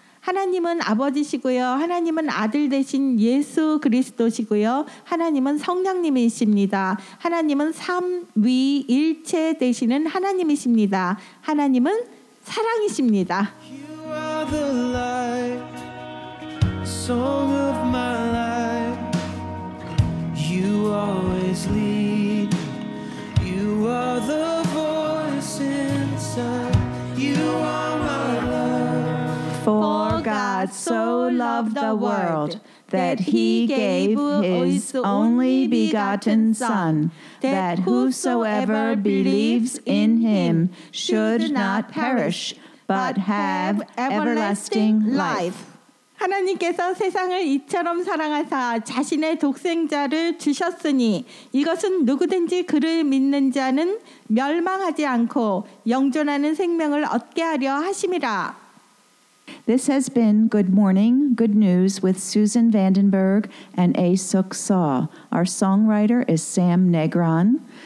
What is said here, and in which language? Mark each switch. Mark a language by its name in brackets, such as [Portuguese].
[Korean] 하나님은 아버지시고요. 하나님은 아들 되신 예수 그리스도시고요. 하나님은 성령님이십니다. 하나님은 삼위일체 되시는 하나님이십니다. 하나님은 사랑이십니다. [English] You are the light, song of my life. You always lead. You are the voice inside. You are my love. For God so loved the world that he gave his only begotten Son, that whosoever believes in him should not perish, but have everlasting life. [Korean] 하나님께서 세상을 이처럼 사랑하사 자신의 독생자를 주셨으니 이것은 누구든지 그를 믿는 자는 멸망하지 않고 영존하는 생명을 얻게 하려 하심이라. [English] This has been Good Morning, Good News with Susan Vandenberg and A. Sook Saw. Our songwriter is Sam Negron.